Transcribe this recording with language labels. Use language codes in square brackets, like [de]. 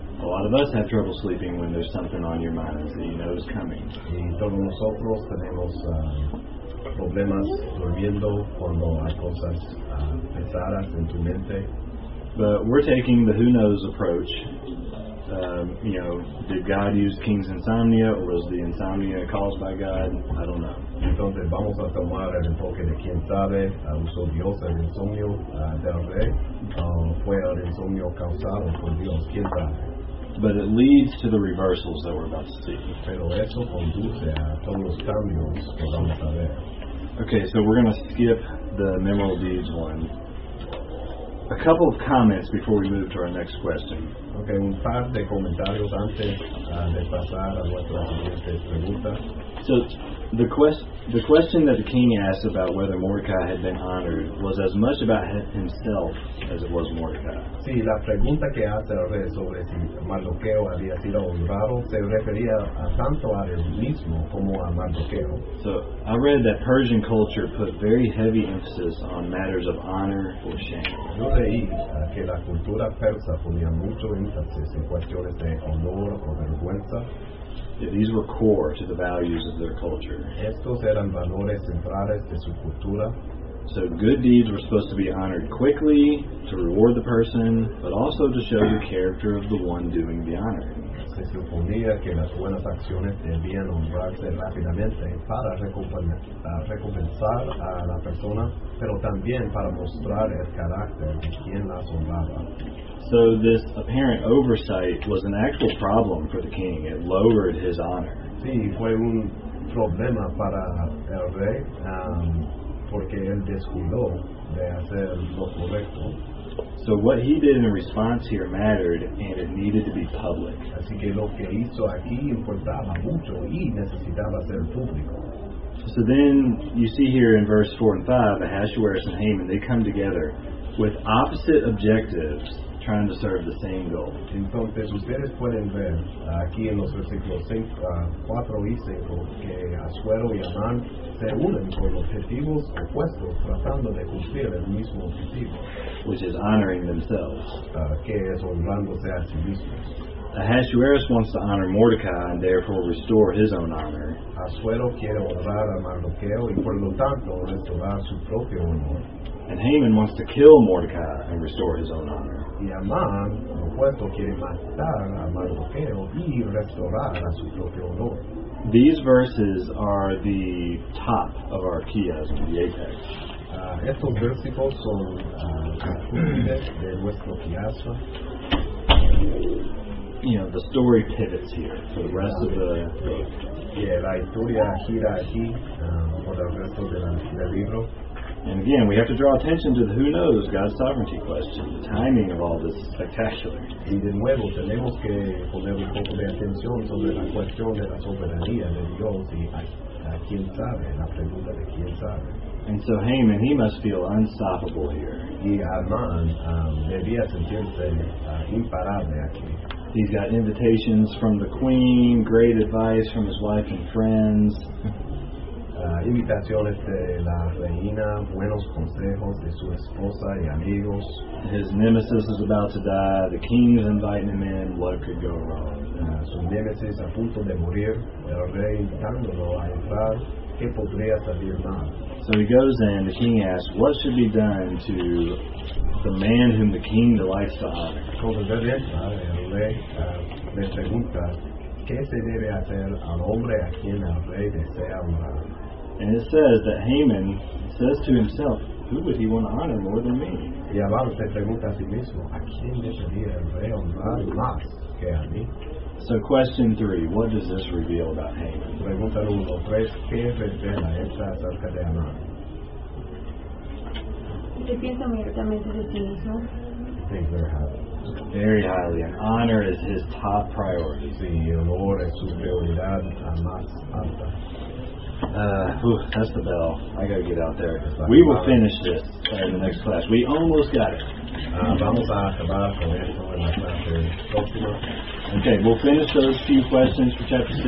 [en] A lot of us have trouble sleeping when there's something on your mind that you know is coming. [es] Y todos nosotros tenemos problemas durmiendo cuando hay cosas pesadas en tu mente. [en] But we're taking the who knows approach. You know, did God use King's insomnia, or was the insomnia caused by God? I don't know. [es] Entonces vamos a tomar el enfoque de quién sabe, usó Dios el insomnio del rey, fue el insomnio causado por Dios, quién sabe. [en] But it leads to the reversals that we're about to see. [es] Pero eso conduce a todos los cambios que vamos a ver. [en] Okay, so we're going to skip the memorable deeds one. A couple of comments before we move to our next question. [es] Okay, un par de comentarios antes de pasar a nuestra siguiente pregunta. [en] So, the question that the king asked about whether Mordecai had been honored was as much about himself as it was Mordecai. [es] Sí, la pregunta que hace el rey sobre si Mardoqueo había sido honrado se refería a tanto a él mismo como a Mardoqueo. [en] So, I read that Persian culture put very heavy emphasis on matters of honor or shame. [es] Yo leí que la cultura persa ponía mucho énfasis en cuestiones de honor o vergüenza. [en] These were core to the values of their culture. [es] Estos eran valores centrales de su cultura. [en] So good deeds were supposed to be honored quickly to reward the person, but also to show the character of the one doing the honoring. [es] Se suponía que las buenas acciones debían honrarse rápidamente para recompensar a la persona, pero también para mostrar el carácter de quien las honraba. [en] So this apparent oversight was an actual problem for the king. It lowered his honor. [es] Sí, fue un problema para el rey porque él descuidó de hacer lo correcto. [en] So what he did in response here mattered, and it needed to be public. [es] Así que lo que hizo aquí importaba mucho y necesitaba ser público. [en] So then you see here in verse 4 and 5, Ahasuerus and Haman, they come together with opposite objectives, trying to serve the same goal. [es] Entonces ustedes pueden ver aquí en los versículos 4 y 5 que Ahasuero y Amán se unen con objetivos opuestos tratando de cumplir el mismo objetivo, [en] which is honoring themselves. [es] Que es honrándose a sí mismos. [en] Ahasuerus wants to honor Mordecai and therefore restore his own honor. [es] Ahasuero quiere honrar a Mardoqueo y por lo tanto restaurar su propio honor. [en] And Haman wants to kill Mordecai and restore his own honor. [es] Y Amán, por supuesto, quiere matar a Mardoqueo y restaurar a su propio honor. [en] These verses are the top of our chiasm, the apex. [es] Estos versículos son cúspides de nuestro chiasm. [en] You know, the story pivots here for the rest of the book. [es] Yeah, la historia gira aquí por el resto del libro. [en] And again, we have to draw attention to the who knows, God's sovereignty question. The timing of all this is spectacular. [es] Y de nuevo, tenemos que poner un poco de atención sobre la cuestión de la soberanía de Dios y a quién sabe, la pregunta de quién sabe. [en] And so Haman, he must feel unstoppable here. [es] Y Amán debía sentirse imparable aquí. [en] He's got invitations from the queen, great advice from his wife and friends. [es] Invitaciones de la reina, buenos consejos de su esposa y amigos. [en] His nemesis is about to die. The king is inviting him in. What could go wrong? [es] Su nemesis a punto de morir. El rey invitándolo a entrar. ¿Qué podría salir mal? [en] So he goes in. The king asks, what should be done to the man whom the king delights to honor? [es] Cuando ve esto, el rey le pregunta, ¿qué se debe hacer al hombre a quien el rey desea honrar? [en] And it says that Haman says to himself, who would he want to honor more than me? [es] Y abajo se pregunta a sí mismo, ¿a quién debería el rey honrar más que a mí? [en] So question three, what does this reveal about Haman? [es] Pregunta número tres, ¿qué revela esta acerca de Amán? Se piensa directamente de sí mismo. [en] Very highly, and honor is his top priority. [es] Sí, honor es su prioridad más alta. [en] That's the bell. I gotta get out there. We will finish this in the next class. We almost got it. [es] Vamos a acabar con esto en la clase próxima. [en] Okay, we'll finish those few questions for chapter 6.